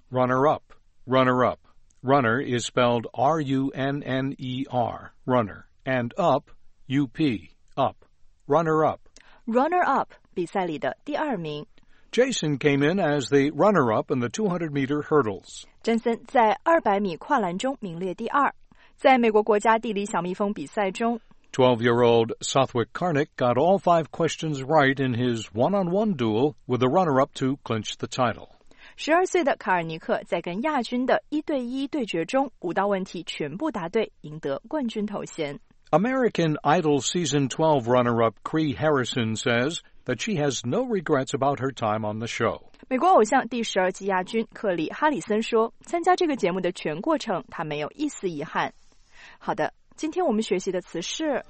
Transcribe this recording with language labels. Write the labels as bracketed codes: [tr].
[en] Runner-up, runner-up. Runner is spelled R-U-N-N-E-R, runner, and up, U-P, up, runner-up. [zh] Runner-up, 比赛里的第二名。 [en] Jason came in as the runner-up in the 200-meter hurdles. [zh] Jason 在200米跨栏中名列第二。在美国国家地理小蜜蜂比赛中 [en] 12-year-old Southwick Carnick got all five questions right in his one-on-one duel with the runner-up to clinch the title. [zh] 12岁的卡尔尼克在跟亚军的一对一对决中五道问题全部答对，赢得冠军头衔。 [en] American Idol Season 12 runner-up Cree Harrison says that she has no regrets about her time on the show. [zh] 美国偶像第十二季亚军克里·哈里森说，参加这个节目的全过程他没有一丝遗憾。好的，今天我们学习的词是